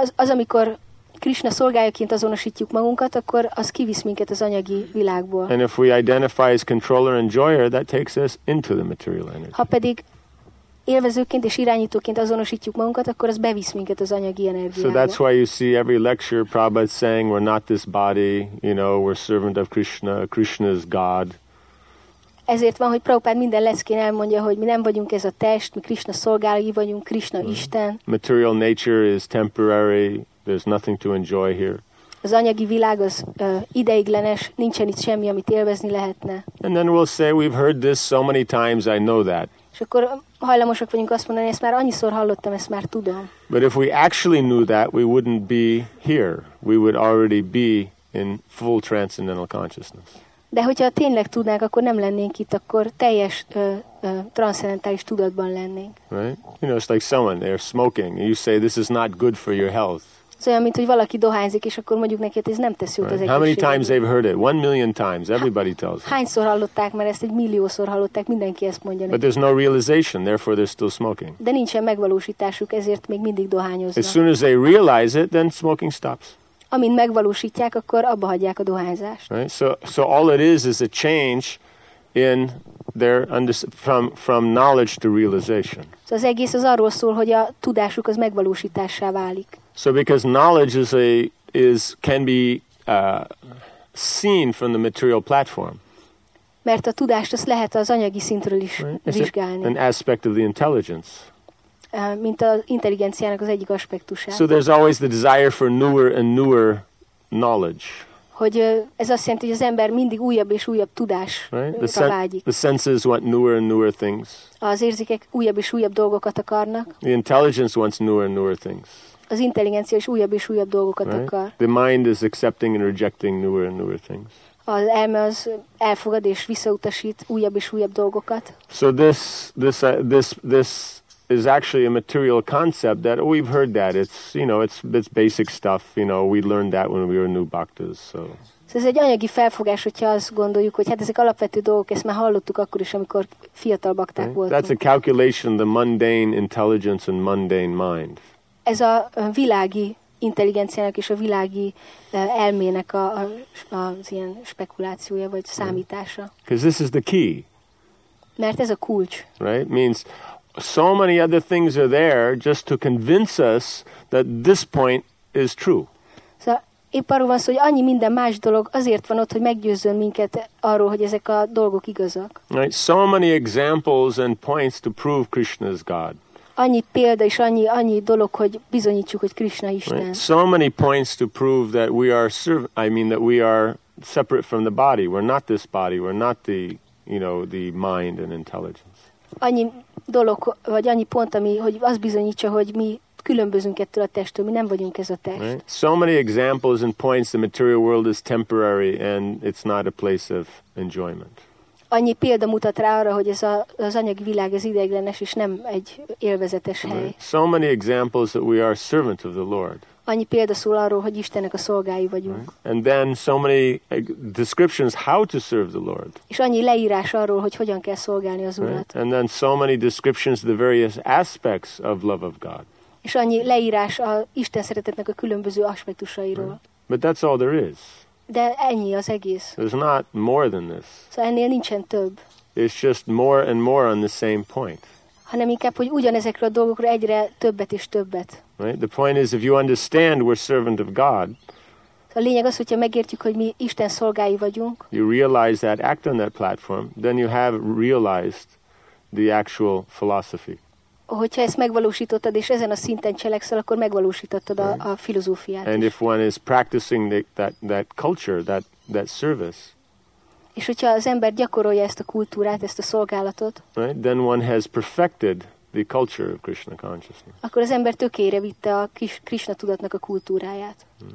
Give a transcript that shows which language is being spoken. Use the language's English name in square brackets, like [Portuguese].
[Hungarian] Amikor Krishna szolgájaként azonosítjuk magunkat, akkor az kivisz minket az anyagi világból. [English] And if we identify as controller and enjoyer, that takes us into the material energy. [Hungarian] Ha pedig élvezőként és irányítóként azonosítjuk magunkat, akkor az bevisz minket az anyagi energiába. [English] So that's why you see every lecture Prabhupada saying we're not this body, you know, we're servant of Krishna, Krishna is God. [Hungarian] Ezért van, hogy Prabhupád minden leckén elmondja, hogy mi nem vagyunk ez a test, mi Krishna szolgálói vagyunk, Krishna Isten. [English] Material nature is temporary. There's nothing to enjoy here. [Hungarian] Az anyagi világ az ideiglenes, nincsen itt semmi, amit élvezni lehetne. [English] And then we'll say, we've heard this so many times, I know that. [Hungarian] És akkor hajlamosak vagyunk azt mondani, ezt már annyiszor hallottam, ezt már tudom. [English] But if we actually knew that, we wouldn't be here. We would already be in full transcendental consciousness. [Hungarian] De hogyha tényleg tudnánk, akkor nem lennénk itt, akkor teljes transzcendentális tudatban lennénk. [English] Right? You know, it's like someone, they're smoking. You say, this is not good for your health. [Hungarian] Ez olyan, mint hogy valaki dohányzik, és akkor mondjuk neki, hogy ez nem tesz jót az egészségére. [English] How many times they've heard it? 1 million times. Everybody tells it. [Hungarian] Hányszor hallották már ezt? 1 milliószor hallották. Mindenki ezt mondja neki. [English] But there's no realization, therefore they're still smoking. [Hungarian] De nincsen megvalósításuk, ezért még mindig dohányoznak. [English] As soon as they realize it, then smoking stops. [Hungarian] Amint megvalósítják, akkor abba hagyják a dohányzást. [English] Right? So all it is a change in their from knowledge to realization. [Hungarian] So az egész az arról szól, hogy a tudásuk az megvalósítássá válik. [English] So because knowledge can be seen from the material platform. [Hungarian] Mert a tudást azt lehet az anyagi szintről is vizsgálni. [English] An aspect of the intelligence. [Hungarian] Mint az intelligenciának az egyik aspektusát. [English] So there's always the desire for newer and newer knowledge. [Hungarian] Hogy ez azt jelenti, hogy az ember mindig újabb és újabb tudásra vágyik. [English] The senses want newer and newer things. [Hungarian] Az érzékek újabb és újabb dolgokat akarnak. [English] The intelligence wants newer and newer things. [Hungarian] Az intelligencia is újabb és újabb dolgokat akar. [English] The mind is accepting and rejecting newer and newer things. [Hungarian] Az elme az elfogad és visszautasít újabb és újabb dolgokat. [English] So this is actually a material concept that we've heard that it's basic stuff, you know, we learned that when we were new bhaktas. So [Hungarian] ez egy anyagi felfogás, hogyha azt gondoljuk, hogy hát ezek alapvető dolgok, ezt már hallottuk akkor is, amikor fiatal bakták voltunk. [English] That's a calculation, the mundane intelligence and mundane mind. [Hungarian] Ez a világi intelligenciának és a világi elmének az ilyen spekulációja vagy számítása. [English] Because this is the key. [Hungarian] Mert ez a kulcs. [English] Right? Means so many other things are there just to convince us that this point is true. [Hungarian] Szóval épp arról van szó, hogy annyi minden más dolog azért van ott, hogy meggyőzzön minket arról, hogy ezek a dolgok igazak. [English] Right? So many examples and points to prove Krishna is God. [Hungarian] Annyi példa és annyi dolog, hogy bizonyítsuk, hogy Krishna Isten. [English] Right. So many points to prove that we are that we are separate from the body. We're not this body. We're not the, you know, the mind and intelligence. [Hungarian] Annyi dolog vagy annyi pont, ami hogy az bizonyítsa, hogy mi különbözünk ettől a testtől, mi nem vagyunk ez a test. [English] Right. So many examples and points the material world is temporary and it's not a place of enjoyment. [Hungarian] Annyi példa mutat rá arra, hogy ez az anyagi világ ez ideiglenes és nem egy élvezetes hely. [English] Right. So many examples that we are servant of the Lord. [Hungarian] Annyi példa szól arról, hogy Istennek a szolgái vagyunk. [English] Right. And then so many descriptions how to serve the Lord. [Hungarian] És annyi leírás arról, hogy hogyan kell szolgálni az Urat. [English] And then so many descriptions the various aspects of love of God. [Hungarian] És annyi leírás a Isten szeretetnek a különböző aspektusairól. [English] Right. But that's all there is. [Hungarian] De ennyi az egész. [English] There's not more than this. [Hungarian] So ennél nincsen több. [English] It's just more and more on the same point. [Hungarian] Hanem inkább, hogy ugyanezekről a dolgokról egyre többet és többet. [English] Right? The point is, if you understand we're servant of God, [Hungarian] a lényeg az, hogyha megértjük, hogy mi Isten szolgái vagyunk, [English] you realize that, act on that platform, then you have realized the actual philosophy. [Hungarian] Hogyha ezt megvalósítottad és ezen a szinten cselekszel, akkor megvalósítottad a filozófiát. [English] And If one is practicing that culture, that service. [Hungarian] És hogyha az ember gyakorolja ezt a kultúrát, ezt a szolgálatot. [English] Right? Then one has perfected the culture of Krishna consciousness. [Hungarian] Akkor az ember tökére vitte a Krishna tudatnak a kultúráját.